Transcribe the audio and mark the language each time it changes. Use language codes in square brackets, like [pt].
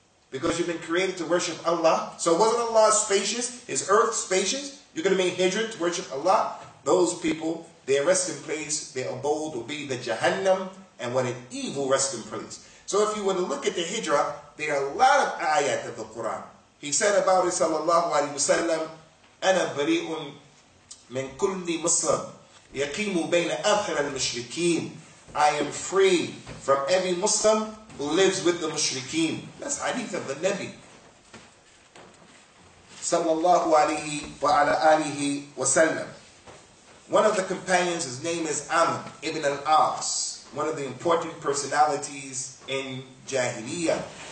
[en] Because you've been created to worship Allah. So wasn't Allah spacious? Is earth spacious? You could have made hijrah to worship Allah. Those people, their resting place, their abode will be the Jahannam, and what an evil resting place. So if you were to look at the hijrah, there are a lot of ayat of the Quran. He said about it, [ar] sallallahu alayhi wa sallam, أَنَا بَرِيءٌ مِنْ كُلِّ مُسْلَمٍ يَقِيمُ بَيْنَ أَخْرَ الْمُشْرِكِينَ. [en] I am free from every Muslim who lives with the mushrikeen. That's hadith of the Nabi. Sallallahu alayhi wa ala alihi wa sallam. One of the companions, his name is Amr ibn al-As, one of the important personalities in Jahiliyyah.